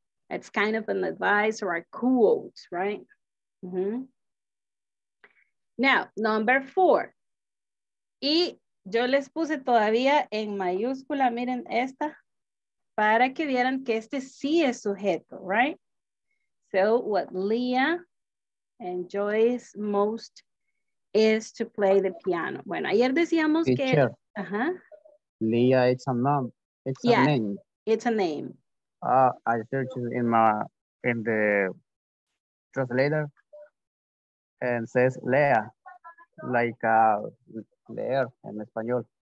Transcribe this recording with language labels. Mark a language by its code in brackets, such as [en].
[en] It's kind of an advice or a quote, right? Mm-hmm. Now, number four. [es] Y yo les puse todavía en mayúscula, miren esta, para que vieran que este sí es sujeto, right? [en] So what Leah enjoys most is to play the piano. [es] Bueno, ayer decíamos [en] teacher, [es] que... [en] Uh-huh. Leah, it's a name. It's yeah, a name. It's a name. I searched in the translator and says Lea, like leer in español.